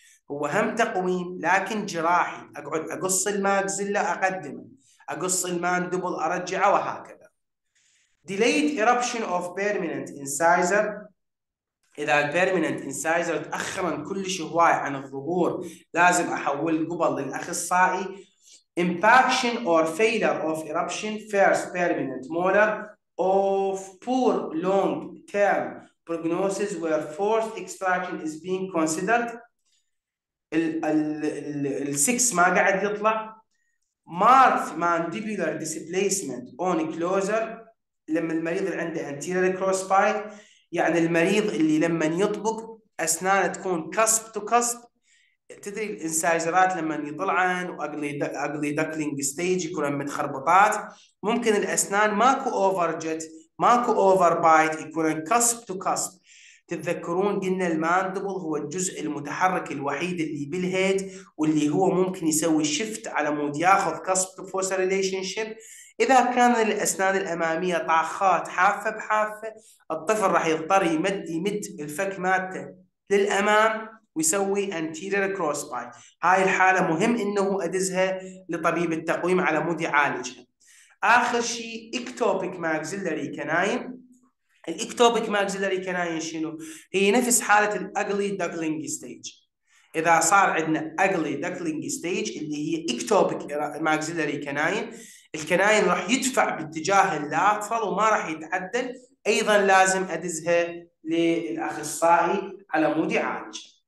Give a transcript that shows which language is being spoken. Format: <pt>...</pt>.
<ar>هو هم تقويم لكن جراحي، اقعد اقص الماكسيلا اقدمه، اقص الماندبل ارجعه وهكذا.</ar> <en>Delayed eruption of permanent incisor،</en> <ar>اذا البيرمننت انسايزر تاخرا كلش هواي عن الظهور لازم احول قبل للاخصائي.</ar> <en>Impaction or failure of eruption first permanent molar of poor long term prognosis where forced extraction is being considered.</en> <ar>ال 6 ما قاعد يطلع.</ar> <en>Marked mandibular displacement on closure</en> <ar>لما المريض اللي عنده anterior cross bite، يعني المريض اللي لما يطبق اسنانه تكون كسب تو كسب، تدري الانسايزرات لما يطلعن واقلي داكلينج ستيج يكون متخربطات، ممكن الاسنان ماكو اوفر جت ماكو اوفر بايت، يكون كسب تو كسب. تتذكرون قلنا الماندبل هو الجزء المتحرك الوحيد اللي بالهيد واللي هو ممكن يسوي شيفت على مود ياخذ كسب تو فوسا ريليشن شيب. إذا كان الأسنان الأمامية طاخات حافة بحافة، الطفل راح يضطر يمد الفك مالته للأمام ويسوي anterior cross bite. هاي الحالة مهم إنه أدزها لطبيب التقويم على مود يعالجها. آخر شيء ectopic maxillary canine. الإكتوبيك ماكسيلاري كناين شنو؟ هي نفس حالة الأغلي دكلينج ستيج. إذا صار عندنا أغلي دكلينج ستيج اللي هي إكتوبيك ماكسيلاري كناين، الكناين راح يدفع باتجاه اللاترال وما راح يتعدل، أيضا لازم أدزها للأخصائي على مود يعالج.</ar>